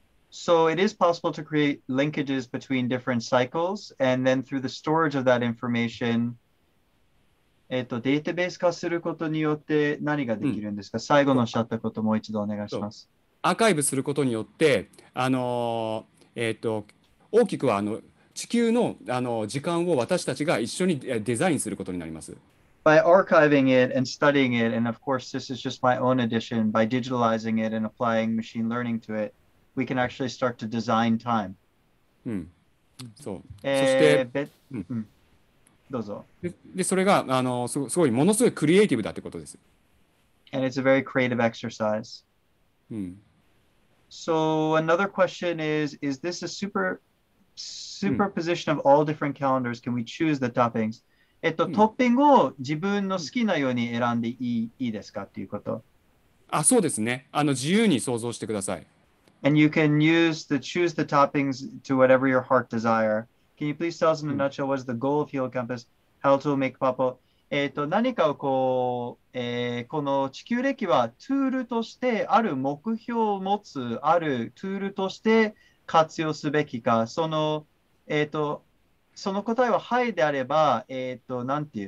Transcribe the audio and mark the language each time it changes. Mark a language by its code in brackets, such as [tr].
[en] So it is possible to create linkages between different cycles and then through the storage of that information、 [ja] データベース化することによって何ができるんですか、うん、最後のおっしゃったこともう一度お願いしますアーカイブすることによって大きくはあの地球 の, あの時間を私たちが一緒にデザインすることになります。 [en] By archiving it and studying it, and of course this is just my own addition, by digitalizing it and applying machine learning to it, we can actually start to design time. [ja] うん。そう。そして、どうぞ。で、それがあの すごいものすごいクリエイティブだってことです。 [en] And it's a very creative exercise. [ja] うん。 [en] So another question is this a super superposition of all different calendars, can we choose the toppings? [ja] トッピングを自分の好きなように選んでいいですかっていうこと。あ、そうですね。自由に想像してください。 [en] And you can use the choose the toppings to whatever your heart desire. Can you please tell us in a nutshell what is the goal of Hill Campus? How to make purple? [ja] 何かをこう、この地球歴はツールとしてある目標を持つあるツールとして活用すべきか、その答えははいであれば、なんていう、